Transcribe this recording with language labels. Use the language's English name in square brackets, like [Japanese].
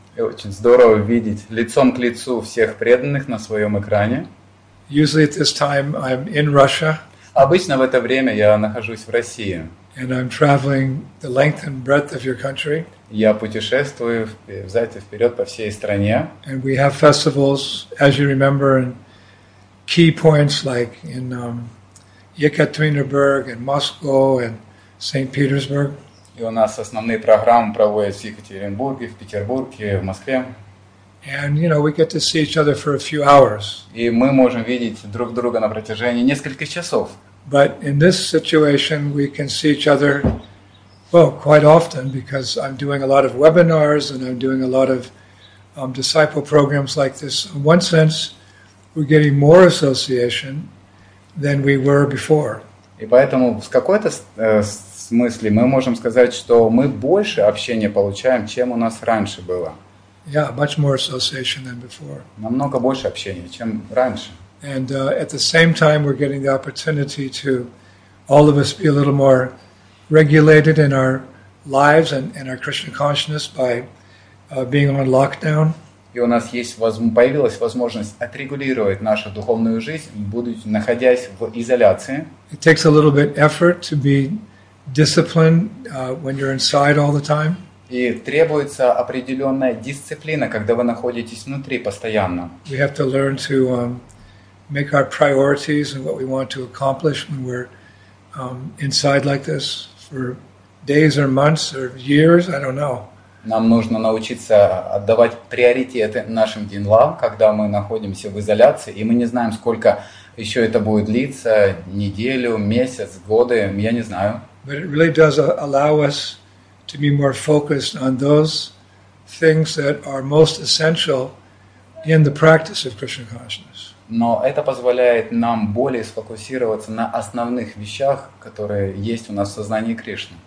[Russian] И очень здорово видеть лицом к лицу всех преданных на своем экране. [English] Usually at this time I'm in Russia. [Russian] Обычно в это время я нахожусь в России. [English] And I'm traveling the length and breadth of your country. [Russian] Я путешествую взад и вперед по всей стране. [English] And we have festivals, as you remember, in key points like in Екатеринбург and Moscow and St. Petersburg. [Russian] И у нас основные программы проводятся в Екатеринбурге, в Петербурге, в Москве. [English] And you know, we get to see each other for a few hours. [Russian] И мы можем видеть друг друга на протяжении нескольких часов. [English] But in this situation, we can see each other, well, quite often, because I'm doing a lot of webinars and I'm doing a lot of disciple programs like this. In one sense, we're getting more association than we were before. [Russian] И поэтому в какой-то смысле мы можем сказать, что мы больше общения получаем, чем у нас раньше было. [English] Yeah, much more association than before. [Russian] Намного больше общения, чем раньше. [English] And at the same time, we're getting the opportunity to all of us be a little more regulated in our lives and in our Krishna consciousness by being on lockdown. [Russian] И у нас появилась возможность отрегулировать нашу духовную жизнь, будучи находясь в изоляции. [English] It takes a little bit effort to be disciplined when you're inside all the time. [Russian] И требуется определенная дисциплина, когда вы находитесь внутри постоянно. [English] We have to learn to make our priorities and what we want to accomplish when we're inside like this for days or months or years, I don't know. [Russian] Нам нужно научиться отдавать приоритеты нашим делам, когда мы находимся в изоляции, и мы не знаем, сколько еще это будет длиться, неделю, месяц, годы, я не знаю. [English] But it really does allow us to be more focused on those things that are most essential in the practice of Krishna consciousness. [Russian] Но это позволяет нам более сфокусироваться на основных вещах, которые есть у нас в сознании Кришны.